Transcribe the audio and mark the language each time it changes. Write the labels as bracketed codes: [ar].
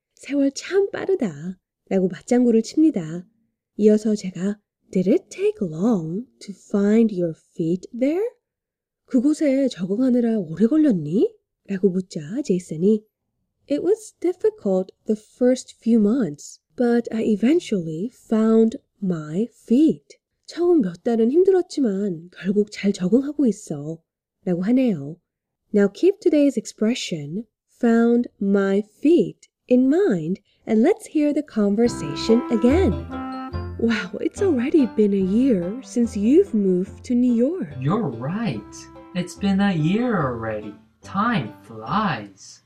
[ko] 세월 참 빠르다 라고 맞장구를 칩니다. 이어서 제가 [en] Did it take long to find your feet there? [ko] 그곳에 적응하느라 오래 걸렸니? 라고 묻자 [en] 제이슨이 It was difficult the first few months, but I eventually found my feet. [ko] 처음 몇 달은 힘들었지만 결국 잘 적응하고 있어 라고 하네요. [en] Now keep today's expression, found my feet, in mind, and let's hear the conversation again. Wow, it's already been a year since you've moved to New York. You're right. It's been a year already. Time flies.